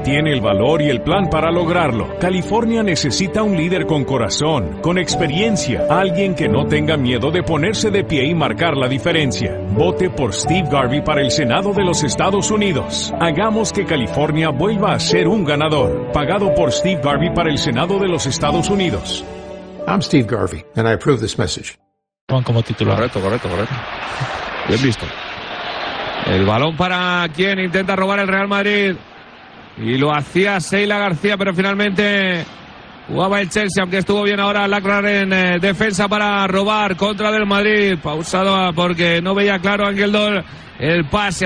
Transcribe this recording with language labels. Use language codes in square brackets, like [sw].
[es] Tiene el valor y el plan para lograrlo. California necesita un líder con corazón, con experiencia, alguien que no tenga miedo de ponerse de pie y marcar la diferencia. Vote por Steve Garvey para el Senado de los Estados Unidos. Hagamos que California vuelva a ser un ganador. Pagado por Steve Garvey para el Senado de los Estados Unidos. [en] I'm Steve Garvey, and I approve this message. [es] Juan como titular. Correcto, correcto, correcto. Bien visto. El balón para quien intenta robar el Real Madrid. Y lo hacía Sheila García, pero finalmente jugaba el Chelsea, aunque estuvo bien ahora Lacroix en defensa para robar contra del Madrid. Pausado porque no veía claro Ángel Dol el pase.